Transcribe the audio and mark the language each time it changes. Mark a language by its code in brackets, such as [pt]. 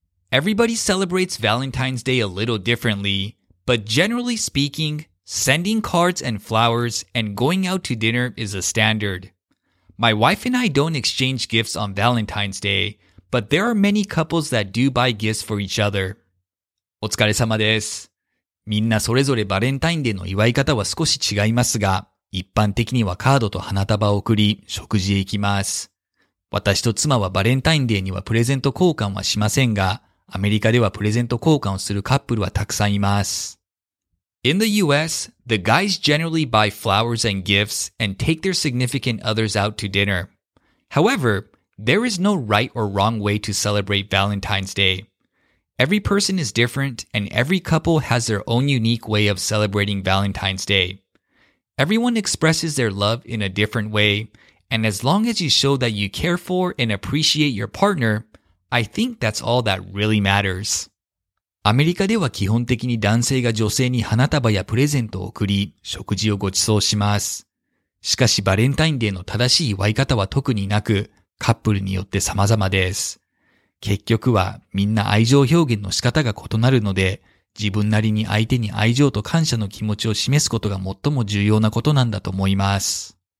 [en] Everybody celebrates Valentine's Day a little differently, but generally speaking, sending cards and flowers and going out to dinner is a standard. My wife and I don't exchange gifts on Valentine's Day. But there are many couples that do buy gifts for each other. [ja] お疲れ様です。みんなそれぞれバレンタインデーの祝い方は少し違いますが、一般的にはカードと花束を送り、食事へ行きます。私と妻はバレンタインデーにはプレゼント交換はしませんが、アメリカではプレゼント交換をするカップルはたくさんいます。 [en] In the US, the guys generally buy flowers and gifts and take their significant others out to dinner. However,There is no right or wrong way to celebrate Valentine's Day. Every person is different, and every couple has their own unique way of celebrating Valentine's Day. Everyone expresses their love in a different way, and as long as you show that you care for and appreciate your partner, I think that's all that really matters. [ja] アメリカでは基本的に男性が女性に花束やプレゼントを送り、食事をご馳走します。しかしバレンタインデーの正しい祝い方は特になく、カップルによって様々です。結局はみんな愛情表現の仕方が異なるので、自分なりに相手に愛情と感謝の気持ちを示すことが最も重要なことなんだと思います。